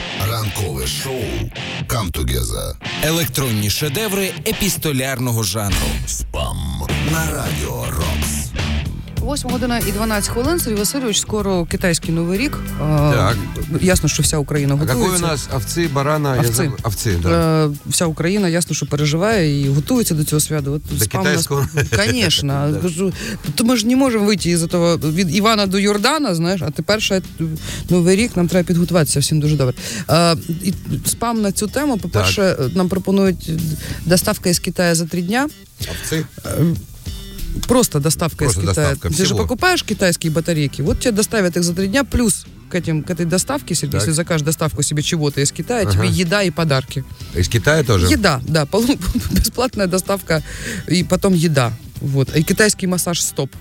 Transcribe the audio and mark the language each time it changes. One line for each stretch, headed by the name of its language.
Ukrainian: Ранкове шоу Come Together. Електронні шедеври епістолярного жанру. Спам на радіо Рокс. 8:12. Сергій Васильович, скоро китайський Новий рік. Так. Ясно, що вся Україна готується.
Russian: А какой у нас овці, барана?
Ukrainian: Овці. Овці, да. Вся Україна, ясно, що переживає і готується до цього свята. До китайського?
Russian: Конечно.
Ukrainian: То ми ж не можемо вийти із того, від Івана до Йордана, знаєш, а тепер ще Новий рік, нам треба підготуватися, всім дуже добре. Спам на цю тему, по-перше, нам пропонують доставка із Китаю за 3 дні. Овці?
Russian: Просто доставка просто из Китая. Доставка. Ты всего. Же покупаешь китайские батарейки, вот тебе доставят их за 3 дня, плюс к этой доставке, Сергей, если закажешь доставку себе чего-то из Китая, тебе еда и подарки. Из Китая тоже? Еда, да. Бесплатная доставка и потом еда. Вот. И китайский массаж стоп.